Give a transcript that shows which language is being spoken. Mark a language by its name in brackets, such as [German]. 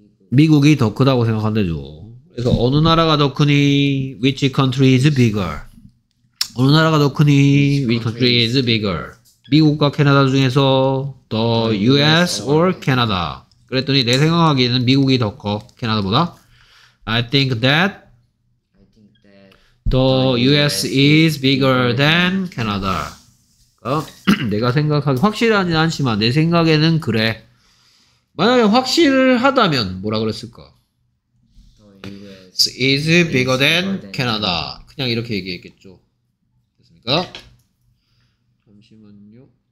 [Korean] 미국이 더 크다고 생각한대죠. 그래서 어느 나라가 더 크니? [English] Which country is bigger? [Korean] 어느 나라가 더 크니? [English] Which country is bigger? [Korean] 미국과 캐나다 중에서 [English] the US or Canada? [Korean] 그랬더니 내 생각하기에는 미국이 더 커, 캐나다보다. [English] I think that the US is bigger than Canada. 어? [Korean] 내가 생각하기 확실하진 않지만 내 생각에는 그래. 만약에 확실하다면 뭐라 그랬을까? [English] The US is bigger than Canada. [Korean] 그냥 이렇게 얘기했겠죠. 됐습니까? 잠시만요.